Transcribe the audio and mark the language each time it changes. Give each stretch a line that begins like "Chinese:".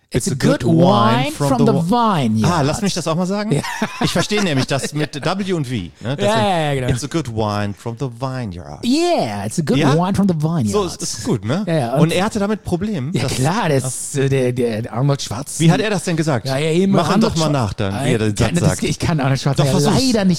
English: It's a good wine from the vineyards.
German: Ah, lass mich das auch mal sagen. Ja. Ich verstehe nämlich das mit W und V. Ne? Genau.
English: It's a good wine from the vineyards. Wine from the vineyards.
German: So, ist gut, ne? Ja, und er hatte damit Probleme. Ja, klar, der Arnold Schwarz. Wie hat er das denn gesagt? Ja, ja, eben. Mach ihn doch mal nach, dann, wie er den Satz sagt. Ich kann Arnold Schwarz doch, leider nicht